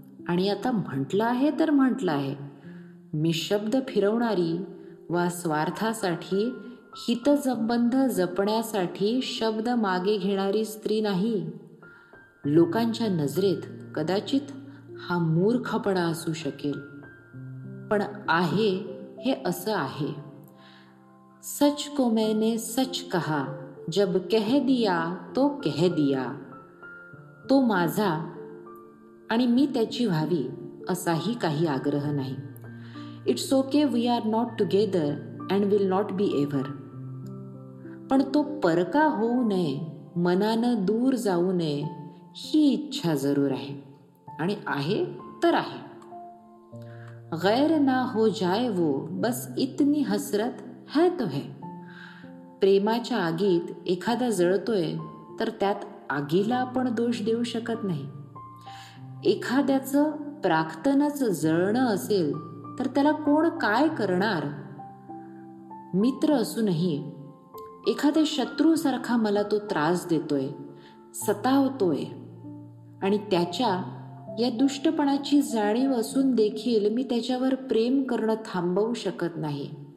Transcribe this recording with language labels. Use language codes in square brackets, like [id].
[mr] आणि आता म्हटलं आहे तर म्हटलं आहे. मी शब्द फिरवणारी वा स्वार्थासाठी हितसंबंध जपण्यासाठी शब्द मागे घेणारी स्त्री नाही. लोकांच्या नजरेत कदाचित हा मूर्खपणा असू शकेल पण आहे हे असं आहे. [hi] सच को मैंने सच कहा जब कह दिया तो कह दिया. [mr] तो माझा आणि मी त्याची व्हावी असाही काही आग्रह नाही. [en] It's okay we are not together and will not be ever. [mr] पण तो परका होऊ नये, मनानं दूर जाऊ नये ही इच्छा जरूर आहे. आणि आहे तर आहे. [hi] गैर ना हो जाए वो, बस इतनी हसरत है तो है। [mr] प्रेमाच्या आगीत एखादा जळतोय तर त्यात आगीला आपण दोष देऊ शकत नाही। एखाद्याचं प्राक्तनच जळणं असेल तर त्याला कोण काय करणार? मित्र असूनही एखाद्या शत्रूसारखा मला तो त्रास देतोय, सतावतोय, आणि त्याच्या या दुष्टपणाची जाणीव असून देखील मी त्याच्यावर प्रेम करणं थांबवू शकत नाही।